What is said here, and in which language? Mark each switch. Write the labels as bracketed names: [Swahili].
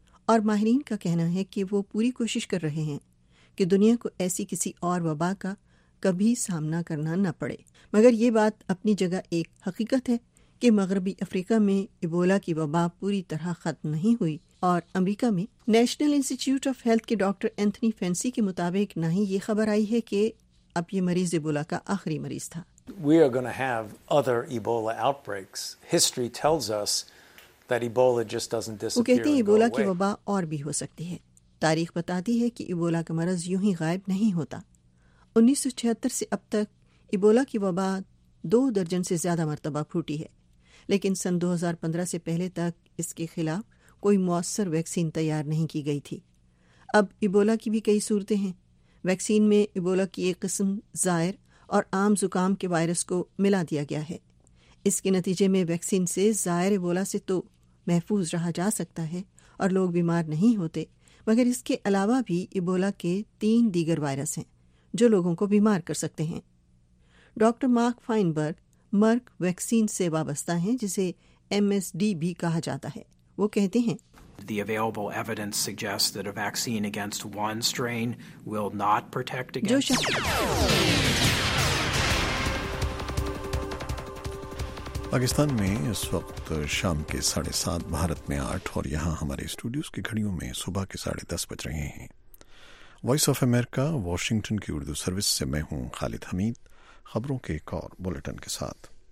[Urdu] اور ماہرین کا کہنا ہے کہ وہ پوری کوشش کر رہے ہیں کہ دنیا کو ایسی کسی اور وبا کا کبھی سامنا کرنا نہ پڑے۔ مگر یہ بات اپنی جگہ ایک حقیقت ہے کہ مغربی افریقہ میں ایبولا کی وبا پوری طرح ختم نہیں ہوئی، اور امریکہ میں نیشنل انسٹیٹیوٹ آف ہیلتھ کے ڈاکٹر اینتھنی فینسی کے مطابق نہ ہی یہ خبر آئی ہے کہ اب یہ مریض ایبولا کا آخری مریض تھا۔ [English] We are going to have other Ebola outbreaks. History tells us that Ebola just doesn't disappear. [Urdu] وہ کہتے ہیں ایبولا کی وبا اور بھی ہو سکتی ہے۔ تاریخ بتاتی ہے کہ ایبولا کا مرض یوں ہی غائب نہیں ہوتا۔ 1976 سے اب تک ایبولا کی وبا 2 درجن سے زیادہ مرتبہ پھوٹی ہے، لیکن 2015 سے پہلے تک اس کے خلاف کوئی مؤثر ویکسین تیار نہیں کی گئی تھی۔ اب ایبولا کی بھی کئی صورتیں ہیں۔ ویکسین میں ایبولا کی ایک قسم زائر اور عام زکام کے وائرس کو ملا دیا گیا ہے۔ اس کے نتیجے میں ویکسین سے زائر ایبولا سے تو محفوظ رہا جا سکتا ہے، اور لوگ بیمار نہیں ہوتے، مگر اس کے علاوہ بھی ایبولا کے 3 دیگر وائرس ہیں جو لوگوں کو بیمار کر سکتے ہیں۔ ڈاکٹر مارک فائنبرگ مرک ویکسین سے وابستہ ہیں، جسے MSD بھی کہا جاتا ہے۔ وہ کہتے ہیں [English] The available evidence suggests that a vaccine against one strain will not protect against [Urdu] Pakistan میں اس وقت شام کے 7:30، بھارت میں 8، اور یہاں ہمارے اسٹوڈیوز کی گھڑیوں میں صبح کے 10:30 بج رہے ہیں۔ وائس آف امریکہ واشنگٹن کی اردو سروس سے میں ہوں خالد حمید، خبروں کے ایک اور بلٹن کے ساتھ۔